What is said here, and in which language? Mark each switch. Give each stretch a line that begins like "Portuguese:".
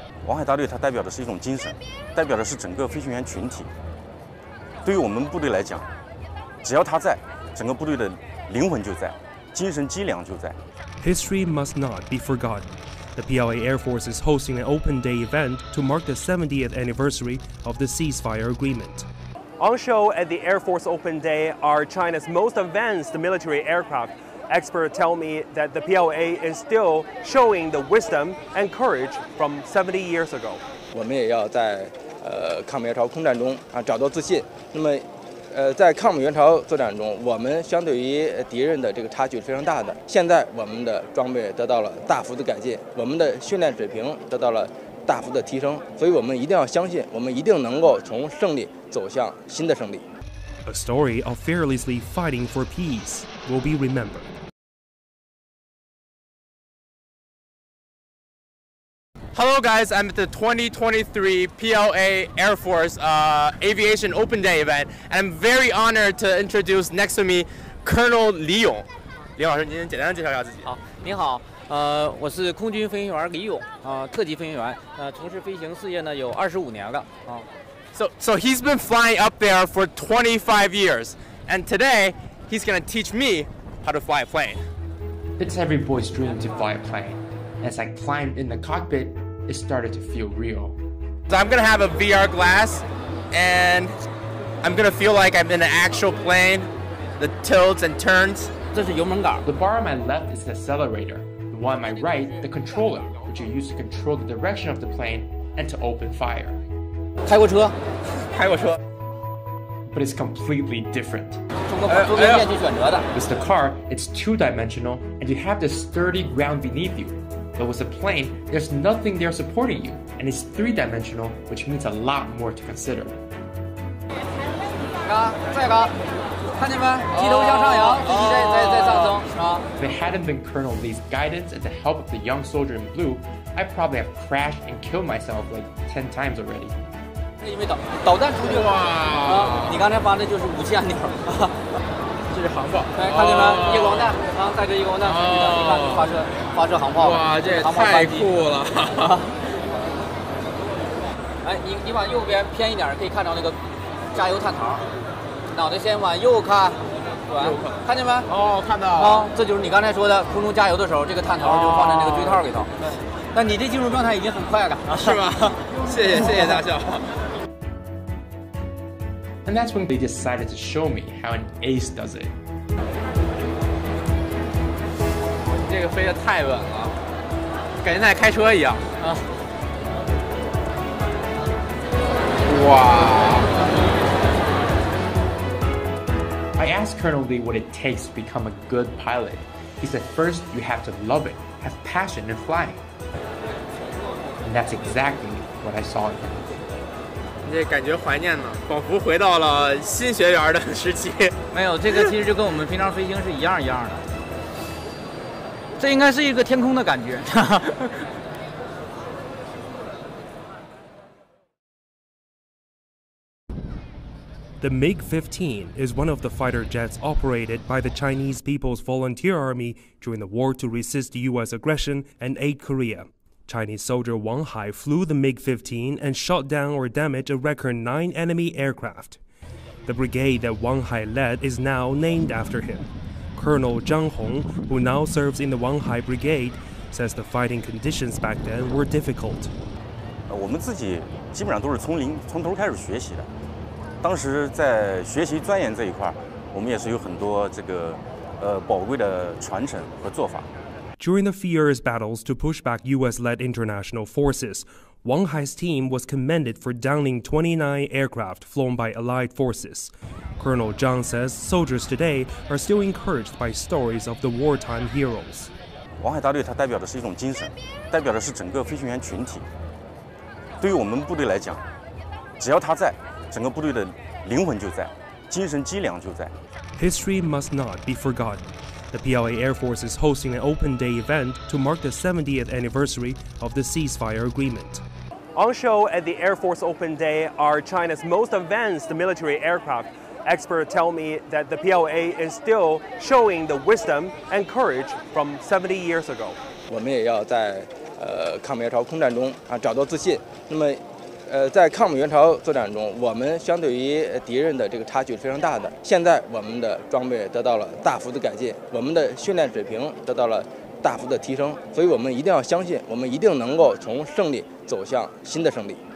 Chinese: 王海大队它代表的是一种精神，代表的是整个飞行员群体。对于我们部队来讲，只要他在。整个部队的灵魂就在，精神脊梁就在。
English: History must not be forgotten. The PLA Air Force is hosting an open day event to mark the 70th anniversary of the ceasefire agreement. On show at the Air Force Open Day are China's most advanced military aircraft. Experts tell me that the PLA is still showing the wisdom and courage from 70 years ago.
Chinese: 我们也要在抗美援朝空战中啊找到自信。那么在抗美援朝作战中，我们相对于敌人的这个差距是非常大的。现在我们的装备得到了大幅的改进，我们的训练水平得到了大幅的提升，所以我们一定要相信，我们一定能够从胜利走向新的胜利。
English: A story of fearlessly fighting for peace will be remembered. Hello, guys. I'm at the 2023 PLA Air Force Aviation Open Day event, and I'm very honored to introduce next to me Colonel 李勇。
Chinese: 李老师，您简单介绍一下自己。好，您好，我是空军飞行员李勇，特级飞行员，从事飞行事业呢有25年了。
English: So he's been flying up there for 25 years, and today he's gonna teach me how to fly a plane. It's every boy's dream to fly a plane. As I climbed in the cockpit, it started to feel real. So I'm gonna have a VR glass, and I'm gonna feel like I'm in an actual plane, the tilts and turns. This is 油门杆. The bar on my left is the accelerator, the one on my right, the controller, which you use to control the direction of the plane and to open fire.
Chinese: 开过车，开过车。
English: But it's completely different.
Chinese: 通过左边面去选择的。
English: With the car, it's two-dimensional, and you have this sturdy ground beneath you. But with the plane, there's nothing there supporting you, and it's three-dimensional, which means a lot more to consider.
Chinese: 高，再高，看见没？机头向上扬，飞机在上升，是吧？
English: If it hadn't been Colonel Lee's guidance and the help of the young soldier in blue, I'd probably have crashed and killed myself like 10 times already.
Chinese: 因为导弹出去了啊！你刚才发的就是武器按钮，这是航炮，哎，看见没？夜光弹啊，带着夜光弹出去的，你看发射航炮，哇，这也太酷了！哎，你往右边偏一点，可以看到那个加油探头，脑袋先往右看，转，看见没？哦，看到了。这就是你刚才说的空中加油的时候，这个探头就放在那个锥套里头。那你这进入状态已经很快了，是吗？谢谢谢谢大笑。
English: And that's when they decided to show me how an ace does it.
Chinese: 这个飞得太稳了，感觉在开车一样。哇！
English: I asked Colonel Lee what it takes to become a good pilot. He said first you have to love it, have passion in flying. And that's exactly what I saw in him.
Chinese: 这感觉怀念呢，仿佛回到了新学员的时期。没有，这个其实就跟我们平常飞行是一样一样的。这应该是一个天空的感觉。
English: The MiG-15 is one of the fighter jets operated by the Chinese People's Volunteer Army during the war to resist U.S. aggression and aid Korea. Chinese soldier Wang Hai flew the MiG-15 and shot down or damaged a record 9 enemy aircraft. The brigade that Wang Hai led is now named after him. Colonel Zhang Hong, who now serves in the Wang Hai Brigade, says the fighting conditions back then were difficult.
Chinese: 我们自己基本上都是从零从头开始学习的。当时在学习钻研这一块，我们也是有很多这个宝贵的传承和做法。
English: During the fierce battles to push back U.S.-led international forces, Wang Hai's team was commended for downing 29 aircraft flown by Allied forces. Colonel Zhang says soldiers today are still encouraged by stories of the wartime heroes.
Chinese: Wang Hai 大队它代表的是一种精神，代表的是整个飞行员群体。对于我们部队来讲，只要他在，整个部队的灵魂就在，精神脊梁就在。
English: History must not be forgotten. The PLA Air Force is hosting an open day event to mark the 70th anniversary of the ceasefire agreement. On show at the Air Force Open Day are China's most advanced military aircraft. Experts tell me that the PLA is still showing the wisdom and courage from 70 years ago.
Chinese: 我们也要在抗美援朝空战中啊找到自信。那么在抗美援朝作战中，我们相对于敌人的这个差距是非常大的。现在我们的装备得到了大幅的改进，我们的训练水平得到了大幅的提升，所以我们一定要相信，我们一定能够从胜利走向新的胜利。